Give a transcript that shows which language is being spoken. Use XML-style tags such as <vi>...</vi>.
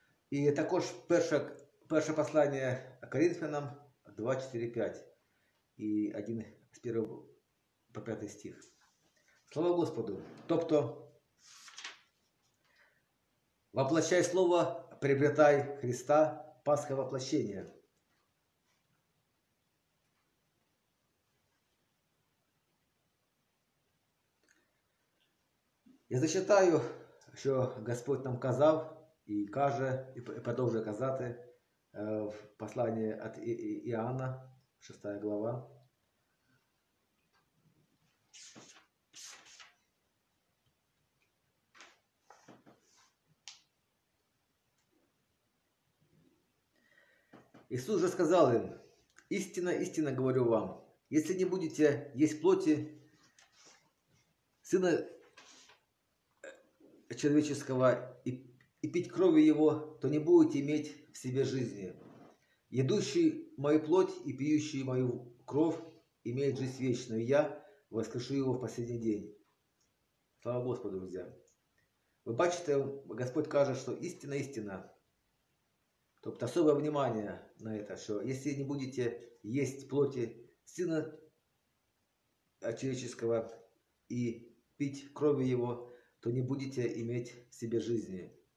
<uk>І також перше послання Коринфянам 2:4-5 і 1:1-5 стих. Слава Господу! Тобто,</uk> <ru>воплощай Слово, приобретай Христа, Пасха воплощения.</ru> <uk>Я зачитаю, що Господь нам казав і каже, і продовжує казати в посланні від Іоанна, 6 глава. Ісус же сказав їм: «Істина, істина, говорю вам, якщо не будете їсти плоті</uk> <ru>Сина человеческого и пить крови его, то не будете иметь в себе жизни. Едущий мою плоть и пьющий мою кровь имеет жизнь вечную, и я воскрешу его в последний день». Слава Господу, друзья! Вы</ru> <uk>бачите, Господь каже,</uk> <ru>что истина, истина.</ru> <uk>Тобто</uk> <ru>особое внимание на это, что если не будете есть плоти Сына человеческого и пить крови его, то не будете иметь в себе жизни.</ru>